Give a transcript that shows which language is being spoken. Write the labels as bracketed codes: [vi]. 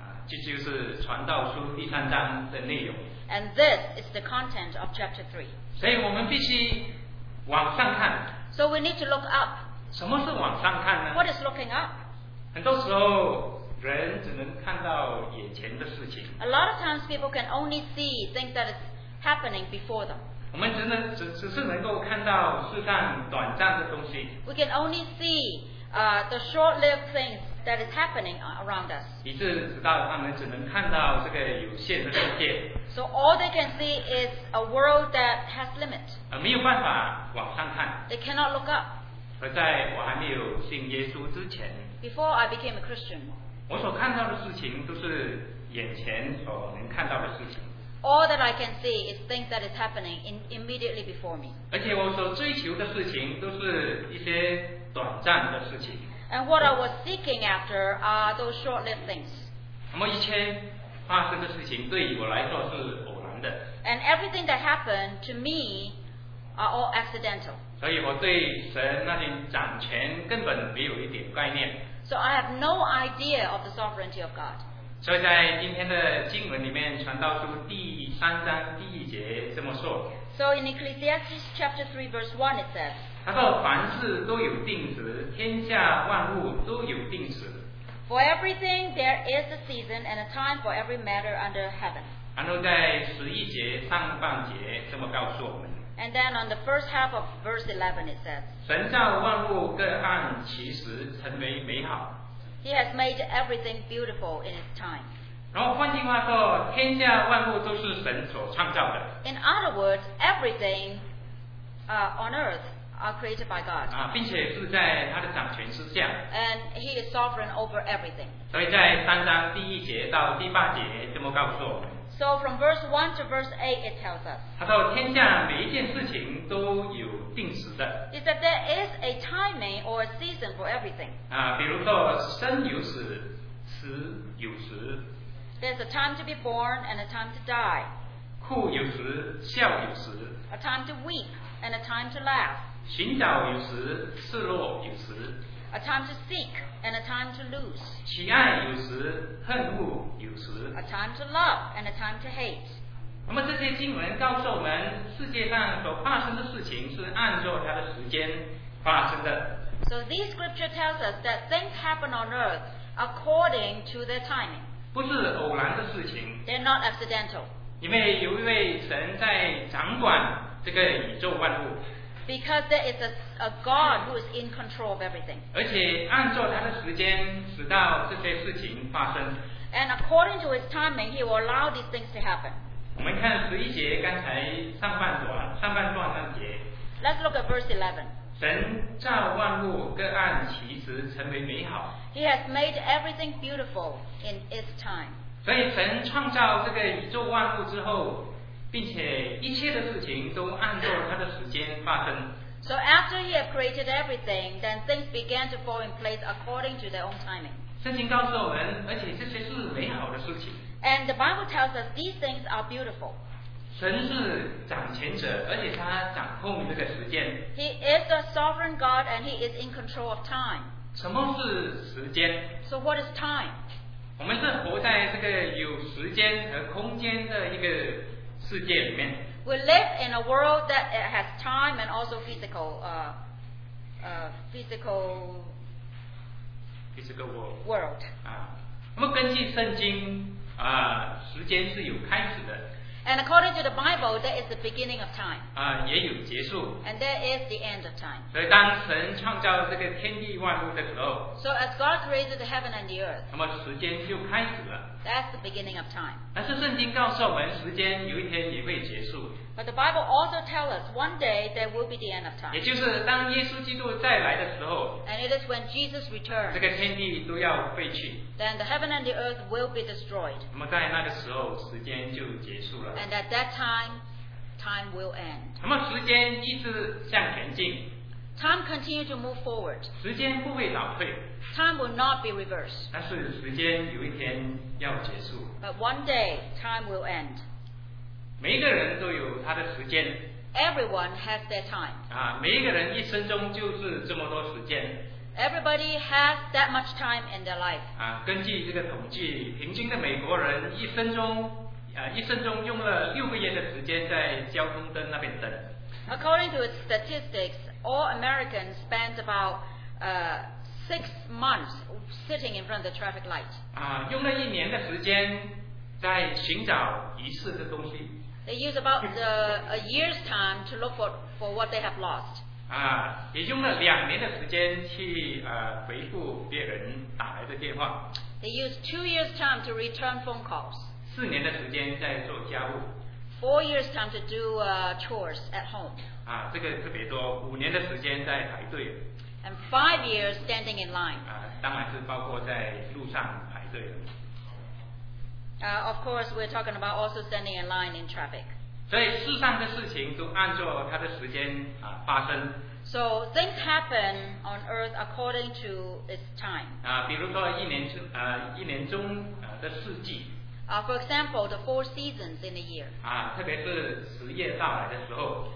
[zh] 这就是传道书第三章的内容。 [en] And this is the content of chapter 3. [zh] 所以我们必须往上看。 [en] So we need to look up. [zh] 什么是往上看呢？ [en] What is looking up? [zh] 很多时候人只能看到眼前的事情。 [en] A lot of times people can only see things that is happening before them. [zh] 我们只是能够看到世上短暂的东西。 [en] We can only see the short-lived things that is happening around us. [zh] 以致直到他们只能看到这个有限的世界。 [en] So all they can see is a world that has limit. [zh] 没有办法往上看。 [en] They cannot look up. [zh] 而在我还没有信耶稣之前。 [en] Before I became a Christian. [zh] 我所看到的事情都是眼前所能看到的事情。 [en] All that I can see is things that is happening immediately before me. [zh] 而且我所追求的事情都是一些短暂的事情。 [en] And what I was seeking after are those short-lived things. [zh] 那么一切发生的事情对于我来说是偶然的。 [en] And everything that happened to me are all accidental. [zh] 所以我对神那些掌权根本没有一点概念。 [en] So I have no idea of the sovereignty of God. [zh] 所以在今天的经文里面，传道书第三章第一节这么说。 [en] So in Ecclesiastes chapter 3 verse 1 it says, [zh] 他说凡事都有定时，天下万物都有定时。 [en] For everything there is a season and a time for every matter under heaven. [zh] 然后在十一节上半节这么告诉我们。 [en] And then on the first half of verse 11 it says, [zh] 神造万物各按其时成为美好。 [en] He has made everything beautiful in its time. [zh] 然后换句话说，天下万物都是神所创造的。 [en] In other words, everything on earth are created by God. [zh] 并且是在他的掌权之下。 [en] And he is sovereign over everything. [zh] 所以在三章第一节到第八节这么告诉我们。 [en] So from verse 1 to verse 8 it tells us. [zh] 他说天下每一件事情都有定时的。 [en] It's that there is a timing or a season for everything. [zh] 比如说生有死，死有时。 [en] There's a time to be born and a time to die. [zh] 哭有时，笑有时。 [en] A time to weep and a time to laugh. [zh] 寻找有时，失落有时。 [en] A time to seek and a time to lose. [zh] 喜爱有时，恨恶有时。 [en] A time to love and a time to hate. [zh] 那么这些经文告诉我们，世界上所发生的事情是按照它的时间发生的。 [en] So this scripture tells us that things happen on earth according to their timing. [zh] 不是偶然的事情。 [en] They're not accidental. [zh] 因为有一位神在掌管这个宇宙万物。 [en] Because there is a God who is in control of everything. [zh] 而且按照他的时间，使到这些事情发生。 [en] And according to his timing, he will allow these things to happen. [zh] 我们看十一节，刚才上半段那节。 [en] Let's look at verse 11. [zh] 神造万物各按其时成为美好。 [en] He has made everything beautiful in its time. [zh] 所以神创造这个宇宙万物之后，并且一切的事情都按照他的时间发生。 [en] So after he had created everything, then things began to fall in place according to their own timing. [zh] 圣经告诉我们，而且这些是美好的事情。 [en] And the Bible tells us these things are beautiful. [zh] 神是掌权者，而且他掌控这个时间。 [en] He is a sovereign God and he is in control of time. [zh] 什么是时间？ [en] So what is time? [zh] 我们是活在这个有时间和空间的一个世界里面。 [en] We live in a world that has time and also physical world. [zh] 那么根据圣经时间是有开始的。 [en] And according to the Bible, there is the beginning of time. [zh] 也有结束。 [en] And there is the end of time. [zh] 所以当神创造这个天地万物的时候。 [en] So as God created the heaven and the earth. [zh] 那么时间就开始了。 [en] That's the beginning of time. [zh] 但是圣经告诉我们，时间有一天也会结束。 [en] But the Bible also tells us one day there will be the end of time. [zh] 也就是当耶稣基督再来的时候。 [en] And it is when Jesus returns. [zh] 这个天地都要废弃。 [en] Then the heaven and the earth will be destroyed. [zh] 那么在那个时候，时间就结束了。 [en] And at that time, time will end. [zh] 那么时间一直向前进。 [en] Time continues to move forward. [zh] 时间不会倒退。 [en] Time will not be reversed. [zh] 但是时间有一天要结束。 [en] But one day, time will end. [zh] 每一个人都有他的时间。 [en] Everyone has their time. [zh] 啊，每一个人一生中就是这么多时间。 [en] Everybody has that much time in their life. [zh] 啊，根据这个统计，平均的美国人一生中一生中用了六个月的时间在交通灯那边等。 [en] According to statistics, all Americans spend about 6 months sitting in front of the traffic light. [zh] 啊，用了一年的时间在寻找遗失的东西。 [en] They use about a year's time to look for what they have lost. [zh] 啊，也用了两年的时间去回复别人打来的电话。 [en] They use 2 years' time to return phone calls. [zh] 四年的时间在做家务。 [en] 4 years time to do chores at home. [zh] 啊，这个特别多。五年的时间在排队。 [en] And 5 years standing in line. [zh] 啊，当然是包括在路上排队了。 [en] Of course, we're talking about also standing in line in traffic. [zh] 所以世上的事情都按照它的时间发生。 [en] So things happen on earth according to its time. [zh] 啊，比如说一年中的四季。 [en] For example, the 4 seasons in a year. [zh] 啊，特别是十月到来的时候。